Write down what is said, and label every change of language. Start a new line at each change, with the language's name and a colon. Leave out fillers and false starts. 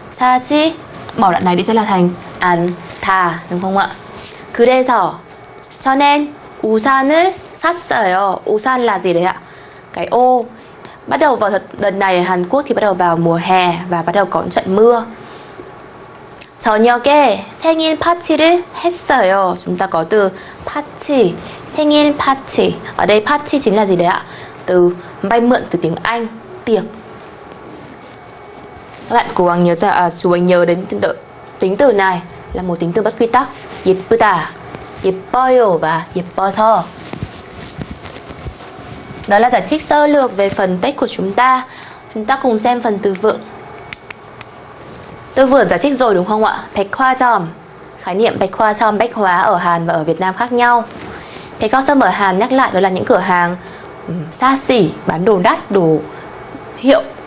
Korean: 사지.
Vietnamese: Bỏ đoạn này đi sẽ là thành 안, 다, đúng không ạ?
Korean: 그래서
Vietnamese: cho nên
Korean: 우산을 샀어요.
Vietnamese: 우산 là gì đấy ạ? Cái ô. Bắt đầu vào đợt này ở Hàn Quốc thì bắt đầu vào mùa hè và bắt đầu có trận mưa.
Korean: 저녁에 생일 파티를 했어요.
Vietnamese: Chúng ta có từ 파티, 생일 파티. Ở đây 파티 chính là gì đấy ạ? Từ vay mượn từ tiếng Anh, tiệc. Các bạn cố gắng nhớ, chú ý nhớ đến tính từ này là một tính từ bất quy tắc.
Korean: 예쁘다, 예뻐요 và 예뻐서.
Vietnamese: Đó là giải thích sơ lược về phần text của chúng ta. Chúng ta cùng xem phần từ vựng. Tôi vừa giải thích rồi đúng không ạ? Bách hóa chòm. Khái niệm bách hóa chòm, bách hóa ở Hàn và ở Việt Nam khác nhau. Bách hóa chòm ở Hàn nhắc lại đó là những cửa hàng xa xỉ, bán đồ đắt, đồ hiệu.